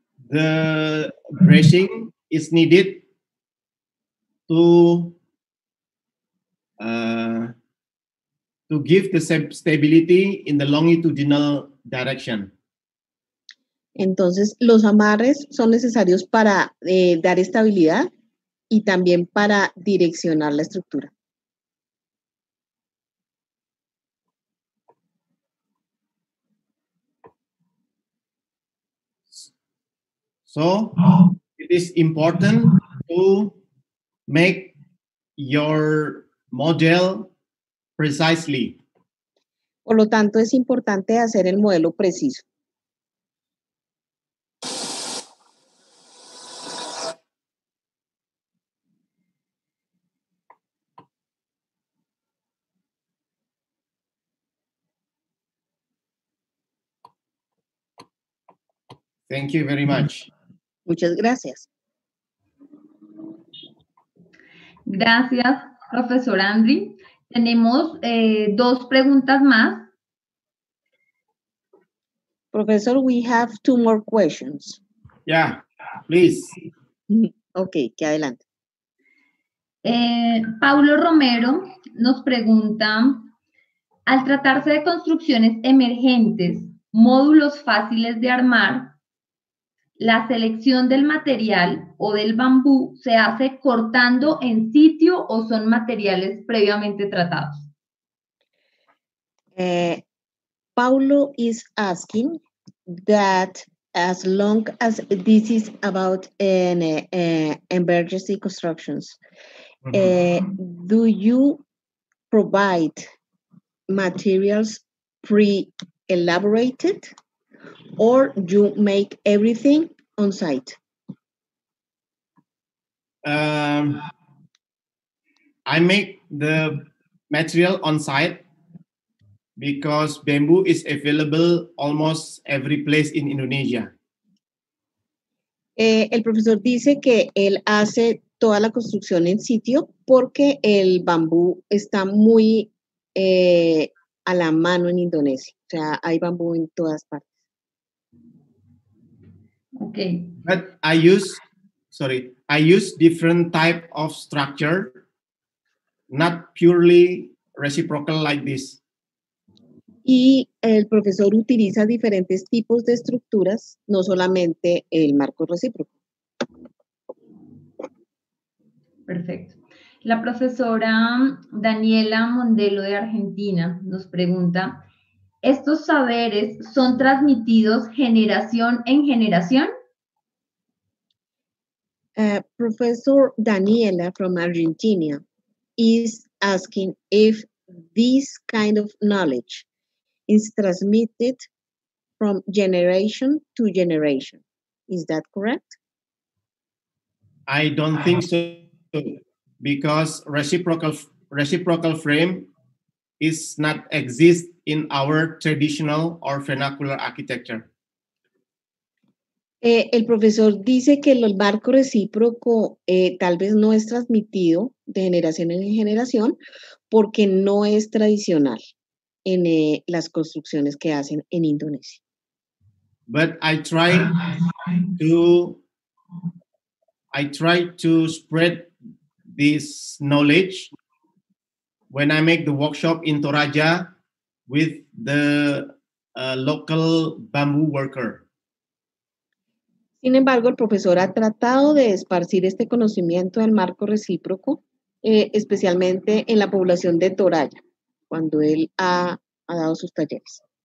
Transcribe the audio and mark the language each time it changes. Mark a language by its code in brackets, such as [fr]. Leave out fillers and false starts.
[en] The brushing is needed to give the stability in the longitudinal direction. [es] Entonces, los amarres son necesarios para dar estabilidad y también para direccionar la estructura. [en] So, it is important to make your model precisely. [es] Por lo tanto, es importante hacer el modelo preciso. [en] Thank you very much. [es] Muchas gracias. Gracias, profesor Andri. Tenemos dos preguntas más. [en] Profesor, we have two more questions. Yeah, please. [es] Okay, que adelante. Paulo Romero nos pregunta, al tratarse de construcciones emergentes, módulos fáciles de armar, ¿la selección del material o del bambú se hace cortando en sitio o son materiales previamente tratados? [en] Paulo is asking that as long as this is about an emergency constructions, do you provide materials pre-elaborated or you make everything on site? I make the material on site because bamboo is available almost every place in Indonesia. [es] El profesor dice que él hace toda la construcción en sitio porque el bambú está muy a la mano en Indonesia. O sea, hay bambú en todas partes. [en] Okay. But I use different type of structure, not purely reciprocal like this. [es] Y el profesor utiliza diferentes tipos de estructuras, no solamente el marco recíproco. Perfecto. La profesora Daniela Mondelo de Argentina nos pregunta, ¿estos saberes son transmitidos generación en generación? [en] Professor Daniela from Argentina is asking if this kind of knowledge is transmitted from generation to generation. Is that correct? I don't think so, because reciprocal frame is not exist in our traditional or vernacular architecture. [es] El profesor dice que el marco recíproco tal vez no es transmitido de generación en generación porque no es tradicional en las construcciones que hacen en Indonesia. [en] But I try to spread this knowledge when I make the workshop in Toraja with the local bamboo worker. [es] Sin embargo, el profesor ha tratado de esparcir este conocimiento del marco recíproco, especialmente en la población de Toraja, cuando él ha dado sus talleres.